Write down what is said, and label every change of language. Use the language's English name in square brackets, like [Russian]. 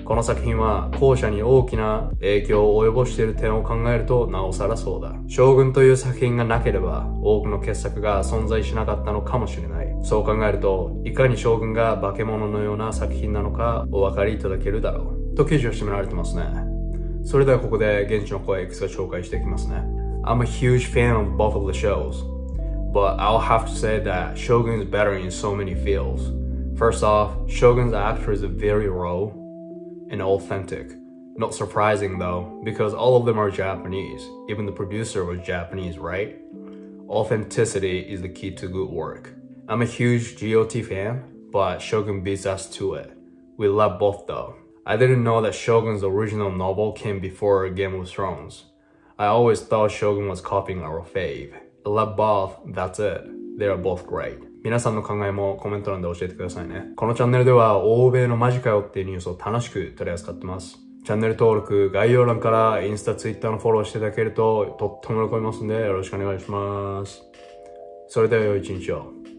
[Japanese] この作品は後者に大きな影響を及ぼしている点を考えるとなおさらそうだ。将軍という作品がなければ多くの傑作が存在しなかったのかもしれない。そう考えると、いかに将軍が化け物のような作品なのかお分かりいただけるだろうと記事を締められてますね。それではここで現地の声をいくつか紹介していきますね。 [English] I'm a huge fan of both of the shows, but I'll have to say that Shogun is better in so many fields. First off, Shogun's actor is very raw and authentic. Not surprising though, because all of them are Japanese. Even the producer was Japanese, right? Authenticity is the key to good work. I'm a huge GOT fan, but Shogun beats us to it. We love both though. I didn't know that Shogun's original novel came before Game of Thrones. I always thought Shogun was copying our fave. I love both, that's it. They are both great. [Japanese] 皆さんの考えもコメント欄で教えてくださいね。このチャンネルでは欧米のマジかよっていうニュースを楽しく取り扱ってます。チャンネル登録、概要欄からインスタ、ツイッターのフォローしていただけるととっても喜びますんで、よろしくお願いします。それでは良い一日を。